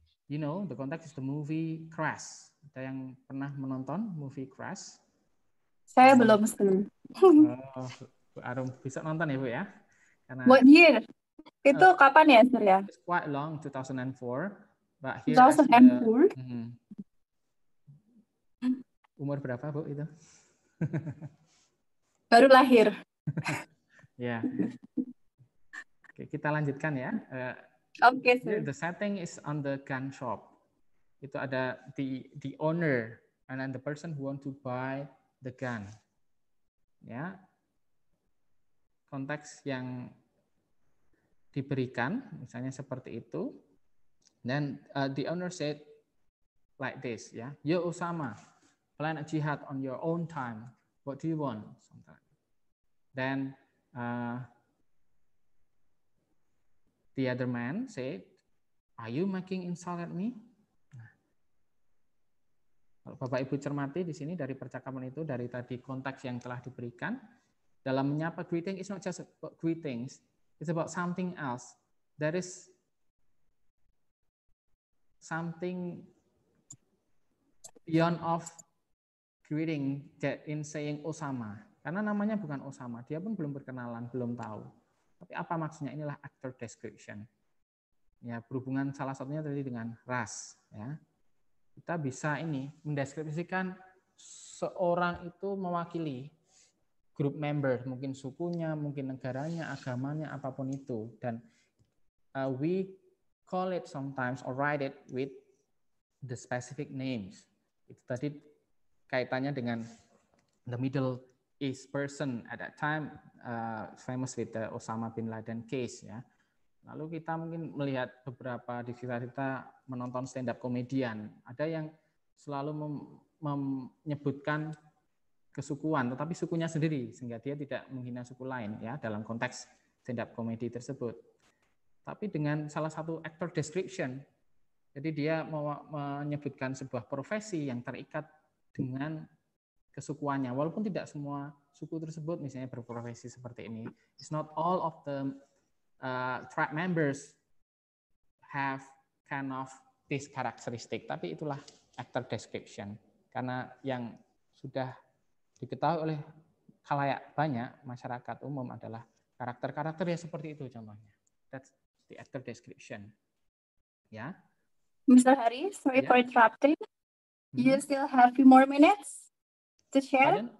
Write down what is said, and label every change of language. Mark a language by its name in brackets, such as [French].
[English] You know, the context is the movie Crash. [Indonesian] Ada yang pernah menonton movie Crash? Saya belum sebelum. Bu Arum bisa nonton ya, Bu ya? Karena, [English] what year? [Indonesian] Itu kapan ya, Sir ya? [English] It's quite long, 2004. But here 2004? [Indonesian] Umur berapa, Bu, itu? Baru lahir. Ya. Oke, kita lanjutkan ya. [English] Okay, sir. The setting is on the gun shop. [Indonesian] Itu ada [English] the owner and then the person who want to buy the gun. [Indonesian] Ya. Konteks yang diberikan misalnya seperti itu. [English] Then the owner said like this, ya. Yo Osama, plan a jihad on your own time. What do you want? Sometimes. Then the other man said, "Are you making insult at me?" [Indonesian] Kalau Bapak Ibu cermati di sini dari percakapan itu, dari tadi konteks yang telah diberikan, dalam menyapa [English] greeting is not just about greetings, it's about something else. There is something beyond of greeting that in saying Osama. [Indonesian] Karena namanya bukan Osama, dia pun belum berkenalan, belum tahu. Tapi apa maksudnya? Inilah actor description. Ya, berhubungan salah satunya tadi dengan ras. Ya. Kita bisa ini mendeskripsikan seorang itu mewakili group member, mungkin sukunya, mungkin negaranya, agamanya, apapun itu. [English] Dan we call it sometimes or write it with the specific names. [Indonesian] Itu tadi kaitannya dengan [English] the middle is person at that time, famous with the Osama bin Laden case. Ya. [Indonesian] Lalu kita mungkin melihat beberapa di sekitar kita menonton stand-up komedian. Ada yang selalu menyebutkan kesukuan, tetapi sukunya sendiri, sehingga dia tidak menghina suku lain ya dalam konteks stand-up komedi tersebut. Tapi dengan salah satu actor description, jadi dia menyebutkan sebuah profesi yang terikat dengan kesukuannya, walaupun tidak semua suku tersebut misalnya berprofesi seperti ini. [English] It's not all of the tribe members have kind of this characteristic, [Indonesian] tapi itulah [English] actor description. [Indonesian] Karena yang sudah diketahui oleh khalayak banyak, masyarakat umum adalah karakter-karakter yang seperti itu contohnya. [English] That's the actor description. Ya. Mr. Hari, sorry for interrupting. Mm-hmm. You still have few more minutes? To share? Pardon?